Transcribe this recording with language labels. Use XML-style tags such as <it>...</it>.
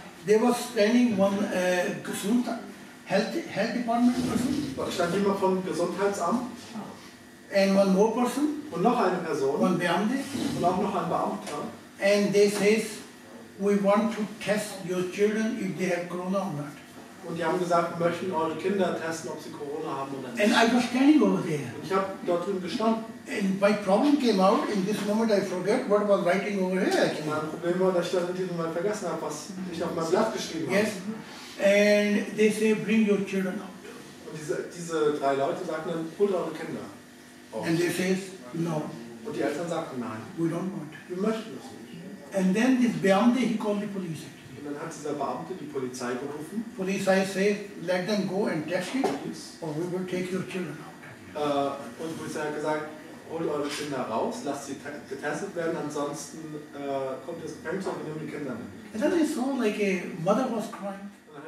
<en>There was standing one Gesundheit, health department person.</en> <de>Stand jemand vom Gesundheitsamt?</de> <en>And one more person.</en> <de>Und noch eine Person.</de> <en>One Beamte.</en> <de>Und auch noch ein Beamter.</de> <en>And they says, we want to test your children if they have Corona or not.</en> <de>Und die haben gesagt, wir möchten eure Kinder testen, ob sie Corona haben oder nicht.</de> <en>And I was standing over there.</en> <de>Und ich habe dort drüben gestanden.</de> <en>And my problem came out in this moment. I forget what was writing over here. Actually.</en> <de>Mein Problem war, dass ich dann in diesem Moment vergessen habe, was ich auf meinem Blatt geschrieben habe.</de> <en>Yes. And they say, bring your children out.</en> <de>Und diese drei Leute sagten dann, holt eure Kinder.</de> <en>Oh. And they says, no.</en> <de>Und die Eltern sagten, nein.</de> <en>We don't want.</en> <de>Wir möchten das nicht.</de> <en>And then this Beamte, he called the police.</en> <de>Dann hat dieser Beamte die Polizei gerufen.</de> <en>Police, I say, let them go and test it, or we will take your children out.</en> <de>Und die Polizei hat gesagt, holt eure Kinder raus, lasst sie getestet werden, ansonsten kommt das Gefängnis und wir nehmen die Kinder mit.</de> <en>And then I saw like a mother was crying.</en>